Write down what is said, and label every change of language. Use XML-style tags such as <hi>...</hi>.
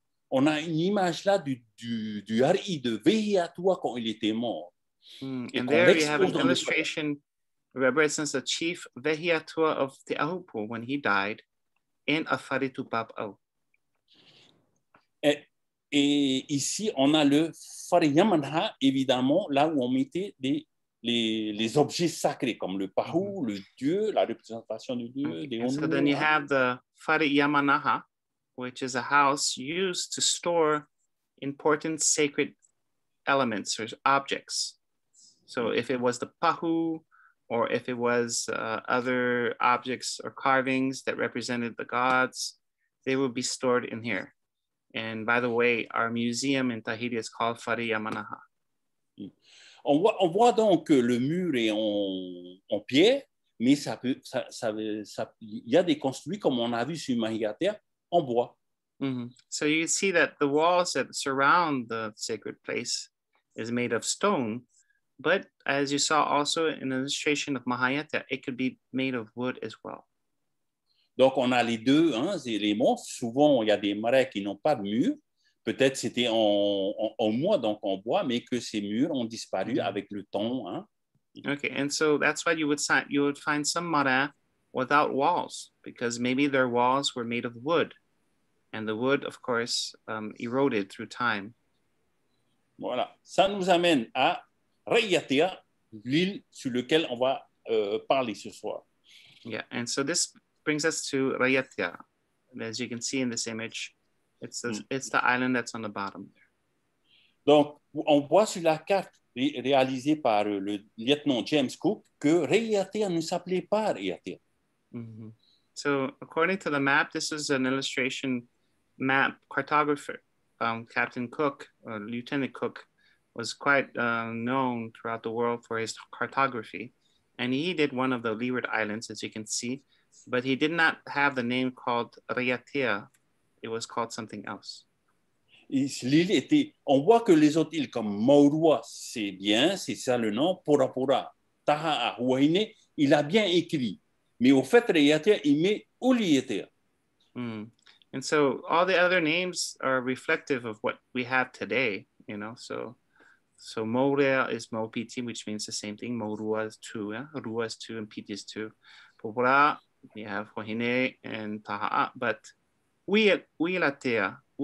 <fr>On a une image là du Hari de Raʻiātea quand il était mort. Mm.</fr> <en>And there, you have an illustration represents the chief Raʻiātea of Te Ahupu when he died in a Faretupapo.</en> <fr>Et ici, on a le Fareyamanha, évidemment, là où on mettait les objets sacrés comme le pahu, le dieu, la représentation du dieu, okay.</fr> <en>So then you have the Fare Yamanaha, which is a house used to store important sacred elements or objects. So if it was the pahu or if it was other objects or carvings that represented the gods, they would be stored in here. And by the way, our museum in Tahiti is called Fare Yamanaha.</en> <fr>On voit donc que le mur est en pierre, mais il y a des construits, comme on a vu sur Raʻiātea, en bois. Mm-hmm.</fr> <en>So you see that the walls that surround the sacred place is made of stone, but as you saw also in the illustration of Raʻiātea, it could be made of wood as well.</en> <fr>Donc on a les deux hein, éléments. Souvent, il y a des marais qui n'ont pas de mur. Peut-être c'était en mois, donc en bois, mais que ces murs ont disparu avec le temps. Hein?</fr> <en>Okay, and so that's why you would find some marais without walls, because maybe their walls were made of wood. And the wood, of course, eroded through time.</en> <fr>Voilà, ça nous amène à Raʻiātea, l'île sur laquelle on va parler ce soir.</fr> <en>Yeah, and so this brings us to Raʻiātea. As you can see in this image, it's the island that's on the bottom there.</en> <fr>Donc, on voit sur la carte réalisée par le lieutenant James Cook que Raʻiātea ne s'appelait pas Raʻiātea. Mm-hmm.</fr> <en>So, according to the map, this is an illustration map cartographer. Captain Cook, Lieutenant Cook, was quite known throughout the world for his cartography. And he did one of the Leeward Islands, as you can see. But he did not have the name called Raʻiātea. It was called something else.</en> <fr>L'île était, on voit que les autres îles comme Maurua, c'est bien, c'est ça le nom, Porapora, Taha'a, Huaine, il a bien écrit. Mais au fait, Raʻiātea, il met où Raʻiātea. Mm.</fr> <en>And so all the other names are reflective of what we have today, you know. So Maurua is Maupiti, which means the same thing. Maurua is two, yeah? Rua is two and Piti is two. Popora, we have Huaine and Taha'a, but Raʻiātea.</en>